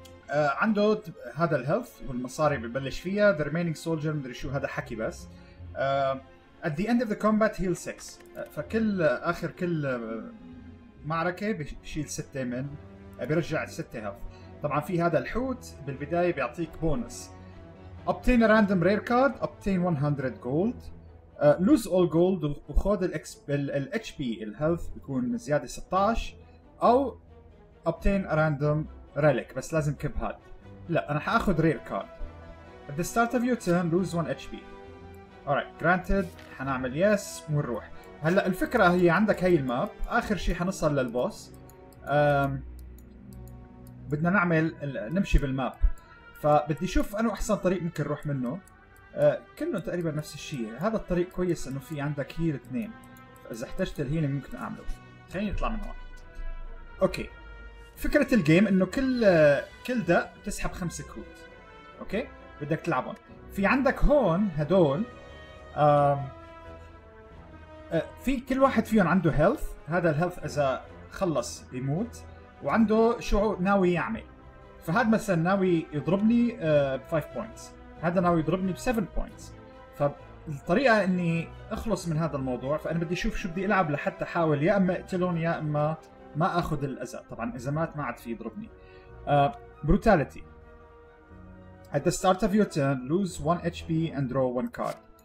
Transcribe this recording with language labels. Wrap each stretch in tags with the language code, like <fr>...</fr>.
<ar>عنده هذا الهيلث والمصاري ببلش فيها، ذا ريمينينج سولجر مدري شو هذا حكي، بس</ar> <en>at the end of the combat heal 6.</en> <ar>فكل اخر كل معركه بشيل 6 من بيرجع 6 هيلث. طبعا في هذا الحوت بالبدايه بيعطيك بونس.</ar> <en>obtain a random rare card, obtain 100 gold, lose all gold</en> <ar>وخذ ال HP الهيلث بيكون زياده 16، او</ar> <en>obtain a random</en> <ar>ريليك بس لازم كب هاد. لا انا حاخذ رير كارد.</ar> <en>At the start of your turn lose 1 HP. Alright granted،</en> <ar>حنعمل</ar> <en>yes</en> <ar>ونروح. هلا الفكرة هي عندك هاي الماب، اخر شي حنصل للبوس. بدنا نعمل نمشي بالماب، فبدي اشوف انه احسن طريق ممكن نروح منه. كله تقريبا نفس الشي، هذا الطريق كويس انه في عندك هيل 2، فاذا احتجت الهيل ممكن اعمله. خليني اطلع من هون. اوكي، فكرة الجيم انه كل دق تسحب 5 كروت. اوكي بدك تلعبهم. في عندك هون هدول في كل واحد فيهم عنده هيلث، هذا الهيلث اذا خلص بيموت، وعنده شعور ناوي يعمل. فهذا مثلا ناوي يضربني ب 5 بوينتس، هذا ناوي يضربني ب 7 بوينتس. فالطريقة اني اخلص من هذا الموضوع، فانا بدي اشوف شو بدي العب لحتى احاول يا اما اقتلهم يا اما ما اخذ الاذى. طبعا اذا مات ما عاد في يضربني.</ar> <en>Brutality. At the start of your turn lose 1 HP and draw 1 card.</en>